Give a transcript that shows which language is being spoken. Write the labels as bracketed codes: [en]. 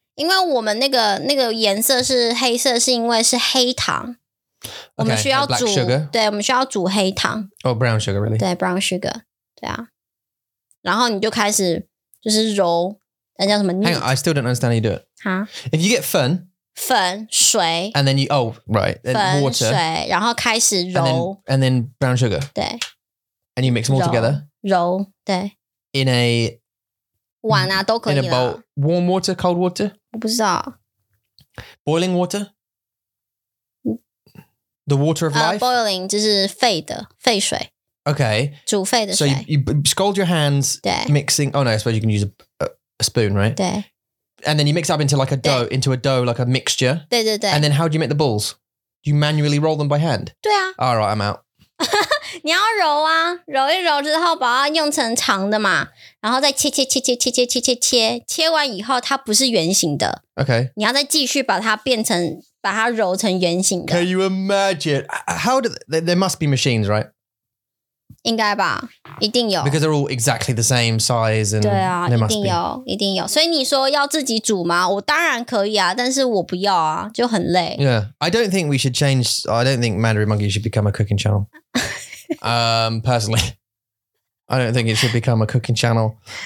[zh] 因为我们那个颜色是黑色是因为是黑糖。 [en] Okay, [zh] 我们需要煮 [en] black sugar. [zh] 对我们需要煮黑糖。 [en] Oh, brown sugar, really. [zh] 对 [en] brown sugar. [zh] 对啊。然后你就开始就是揉那叫什么 [en] Hang on, I still don't understand how you do it. Huh? If you get 粉。 [zh] 粉水 [en] and then you oh right then water [zh] 水然后开始揉 [en] and then brown sugar [zh] 对 [en] and you mix them all [zh] 揉 [en] together [zh] 揉对 [en] in a [zh] 碗啊都可以 [en] in a bowl warm water cold water [zh] 我不知道 [en] boiling water the water of life boiling [zh] 就是沸的沸水 [en] okay [zh] 煮沸的水 [en] so you scald your hands [zh] 对 [en] mixing oh no I suppose you can use a spoon right [zh] 对 [en] And then you mix up into like a dough, into a dough, like a mixture. [zh] 对对对。 [en] And then how do you make the balls? Do you manually roll them by hand? [zh] 对啊。 [en] All right, I'm out. [zh] 你要揉啊，揉一揉之后把它用成长的嘛，然后再切切切切切切切切切，切完以后它不是圆形的。 [en] Okay. [zh] 你要再继续把它变成，把它揉成圆形的。 [en] Can you imagine? How do they, there must be machines, right? [zh] 应该吧，一定有。 [en] Because they're all exactly the same size and [zh] 对啊，一定有，一定有。所以你说要自己煮吗？我当然可以啊，但是我不要啊，就很累。 [en] Yeah, I don't think we should change. I don't think Mandarin Monkey should become a cooking channel. personally, I don't think it should become a cooking channel.